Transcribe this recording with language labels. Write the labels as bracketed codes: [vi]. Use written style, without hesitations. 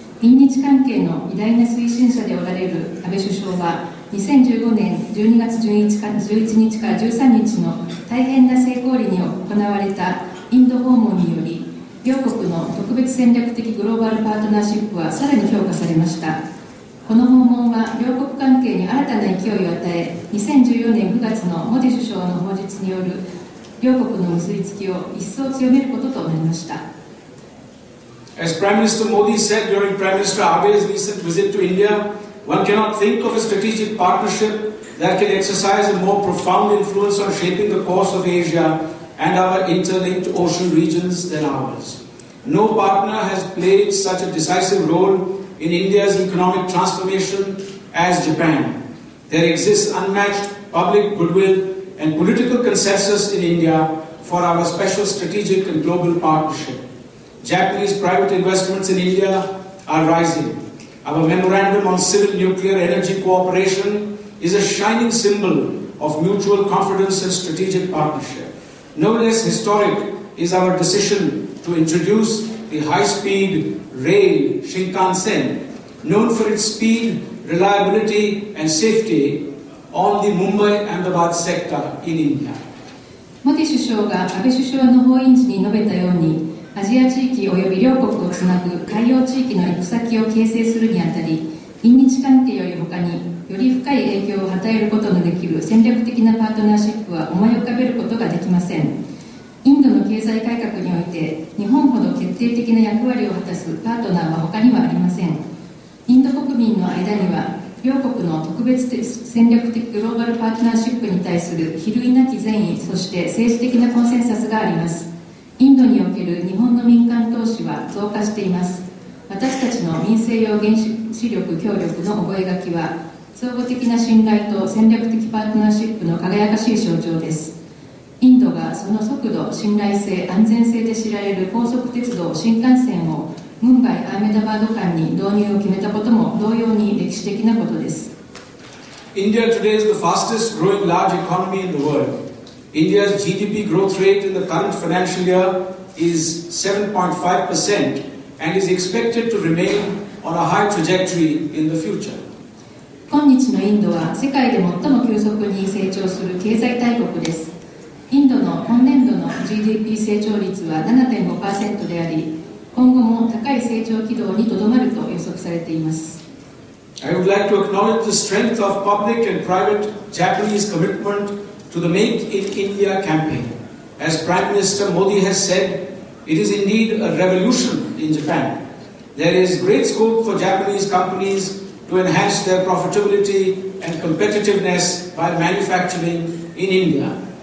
[ja] 印日関係の偉大な推進者でおられる安倍首相は、2015年12月11日から13日の大変な成功裏に行われたインド訪問により、両国の特別戦略的グローバルパートナーシップはさらに強化されました。この訪問は両国関係に新たな勢いを与え、2014年9月のモディ首相の訪日による両国の結びつきを一層強めることとなりました。 [en] As Prime Minister Modi said during Prime Minister Abe's recent visit to India, one cannot think of a strategic partnership that can exercise a more profound influence on shaping the course of Asia and our interlinked ocean regions than ours. No partner has played such a decisive role in India's economic transformation as Japan. There exists unmatched public goodwill and political consensus in India for our special strategic and global partnership. Japanese private investments in India are rising. Our memorandum on civil nuclear energy cooperation is a shining symbol of mutual confidence and strategic partnership. No less historic is our decision to introduce the high-speed rail Shinkansen, known for its speed, reliability and safety on the Mumbai Ahmedabad sector in India. [ja] モディ首相が安倍首相の訪印時に述べたように、アジア地域及び両国をつなぐ海洋地域の行く先を形成するにあたり、印日関係より他により深い影響を与えることのできる戦略的なパートナーシップは思い浮かべることができません。インドの経済改革において日本ほど決定的な役割を果たすパートナーは他にはありません。インド国民の間には両国の特別的戦略的グローバルパートナーシップに対する比類なき善意、そして政治的なコンセンサスがあります。インドにおける日本の民間投資は増加しています。私たちの民生用原子力協力の覚書は、相互的な信頼と戦略的パートナーシップの輝かしい象徴です。インドがその速度、信頼性、安全性で知られる高速鉄道新幹線をムンバイ・アーメダバード間に導入を決めたことも同様に歴史的なことです。 [en] India today is the fastest growing large economy in the world. India's GDP growth rate in the current financial year is 7.5% and is expected to remain on a high trajectory in the future. [ja] 今日のインドは世界で最も急速に成長する経済大国です。インドの今年度の GDP 成長率は 7.5% であり、今後も高い成長軌道にとどまると予測されています。 [en] I would like to acknowledge the strength of public and private Japanese commitment to the Make in India campaign. As Prime Minister Modi has said, it is indeed a revolution in Japan. There is great scope for Japanese companies to enhance their profitability and competitiveness by manufacturing in India.